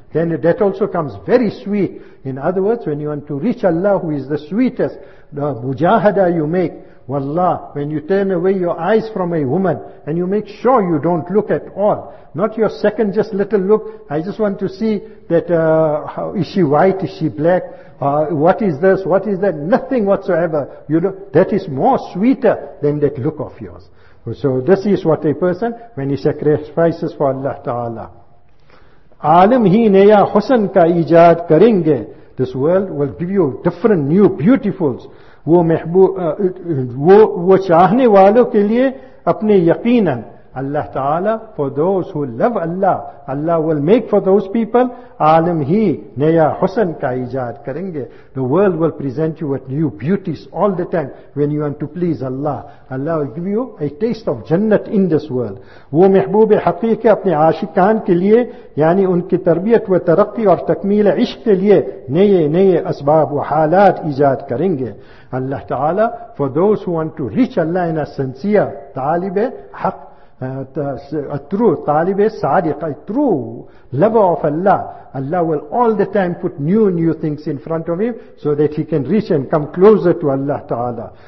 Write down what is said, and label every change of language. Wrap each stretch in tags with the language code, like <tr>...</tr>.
<en>Then that also comes very sweet. In other words, when you want to reach Allah, who is the sweetest, the mujahada you make, wallah, when you turn away your eyes from a woman, and you make sure you don't look at all, not your second just little look, I just want to see that, how, is she white, is she black, what is this, what is that, nothing whatsoever, you know, that is more sweeter than that look of yours. So this is what a person, when he sacrifices for Allah Ta'ala,</en> <ur>عالم ہی نیا حسن کا ایجاد کریں گے.</ur> <en>This world will give you different new beautifuls.</en> <ur>وہ محبوب وہ چاہنے والوں کے لئے اپنے یقینا.</ur> <en>Allah Ta'ala, for those who love Allah, Allah will make for those people</en> <ur>عالم ہی نیا حسن کا ایجاد کریں گے.</ur> <en>The world will present you with new beauties all the time when you want to please Allah. Allah will give you a taste of Jannat in this world.</en> <ur>وہ محبوب حقیق اپنے عاشقان کے لئے, یعنی ان کی تربیت و ترقی اور تکمیل عشق کے لئے نئے نئے اسباب و حالات ایجاد کریں گے.</ur> <en>Allah Ta'ala, for those who want to reach Allah in a sincere</en> <ur>طالب حق,</ur> <en>a true talib sadiq, a true lover of Allah, Allah will all the time put new things in front of him so that he can reach and come closer to Allah Ta'ala.</en>